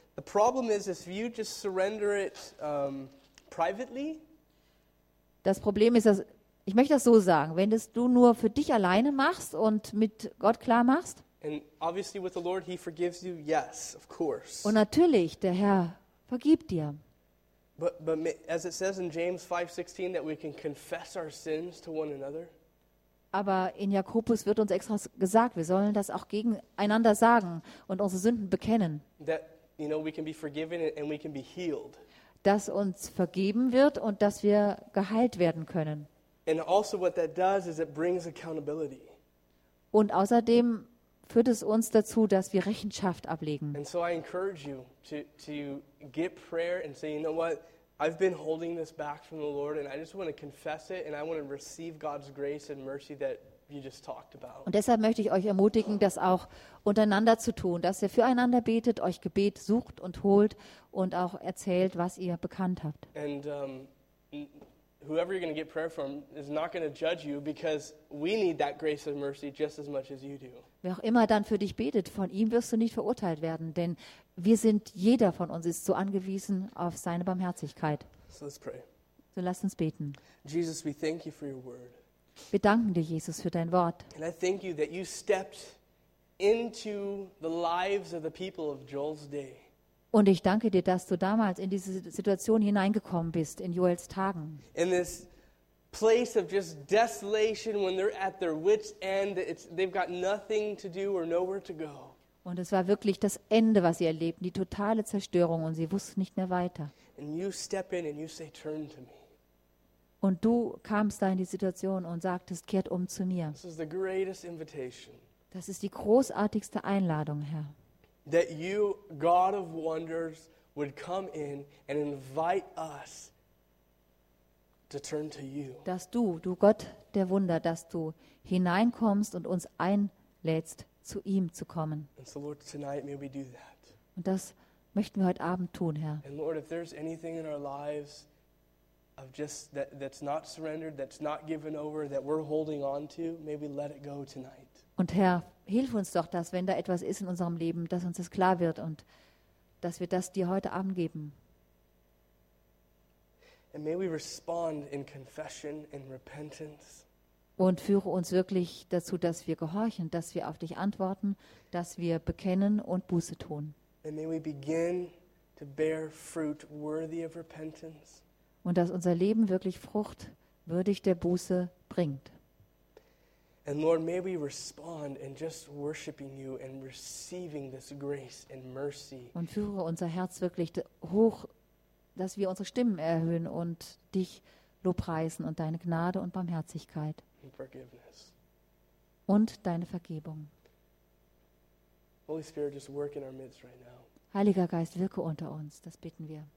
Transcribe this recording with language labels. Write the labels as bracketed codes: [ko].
[en] The problem is, if you just surrender it privately. [de] Das Problem ist, dass ich möchte das so sagen, wenn das du nur für dich alleine machst und mit Gott klar machst. [en] And obviously with the Lord, he forgives you, yes, of course. [de] Und natürlich, der Herr vergibt dir. [en] But as it says in James 5:16, that we can confess our sins to one another. [de] Aber in Jakobus wird uns extra gesagt, wir sollen das auch gegeneinander sagen und unsere Sünden bekennen. [en] That, you know, we can be forgiven and we can be healed. [de] Dass uns vergeben wird und dass wir geheilt werden können. [en] And also what that does is it brings accountability. [de] Und außerdem führt es uns dazu, dass wir Rechenschaft ablegen. [en] And so I encourage you to get prayer and say, you know what, I've been holding this back from the Lord and I just want to confess it and I want to receive God's grace and mercy that you just talked about. [de] Und deshalb möchte ich euch ermutigen, das auch untereinander zu tun, dass ihr füreinander betet, euch Gebet sucht und holt und auch erzählt, was ihr bekannt habt. [en] And whoever you're going to get prayer from is not going to judge you because we need that grace and mercy just as much as you do. [de] Wer auch immer dann für dich betet, von ihm wirst du nicht verurteilt werden, denn wir sind, jeder von uns ist so angewiesen auf seine Barmherzigkeit. [en] So let's pray. [de] So lass uns beten. [en] Jesus, we thank you for your word. [de] Wir danken dir, Jesus, für dein Wort. [en] And I thank you that you stepped into the lives of the people of Joel's day. [de] Und ich danke dir, dass du damals in diese Situation hineingekommen bist, in Joels Tagen. [en] In this place of just desolation, when they're at their wit's end, they've got nothing to do or nowhere to go. [de] Und es war wirklich das Ende, was sie erlebten, die totale Zerstörung, und sie wussten nicht mehr weiter. [en] And you step in and you say, turn to me. [de] Und du kamst da in die Situation und sagtest, kehrt um zu mir. [en] This is the greatest invitation. [de] Das ist die großartigste Einladung, Herr. [en] That you, God of wonders, would come in and invite us to turn to you. [de] Dass du, du Gott der Wunder, dass du hineinkommst und uns einlädst, zu ihm zu kommen. [en] And so Lord, tonight may we do that. [de] Und das möchten wir heute Abend tun, Herr. [en] And Lord, if there's anything in our lives of just that's not surrendered, that's not given over, that we're holding on to, may we let it go tonight. [de] Und Herr, hilf uns doch, dass wenn da etwas ist in unserem Leben, dass uns das klar wird und dass wir das dir heute Abend geben. [en] And may we respond in confession and repentance. [de] Und führe uns wirklich dazu, dass wir gehorchen, dass wir auf dich antworten, dass wir bekennen und Buße tun. [en] And may we begin to bear fruit worthy of repentance. [de] Und dass unser Leben wirklich Frucht würdig der Buße bringt. [en] And Lord, may we respond in just worshiping you and receiving this grace and mercy. [de] Und führe unser Herz wirklich hoch, dass wir unsere Stimmen erhöhen und dich lobpreisen und deine Gnade und Barmherzigkeit. [en] And forgiveness. [de] Und deine Vergebung. [en] Holy Spirit, just work in our midst right now. [de] Heiliger Geist, wirke unter uns, das bitten wir.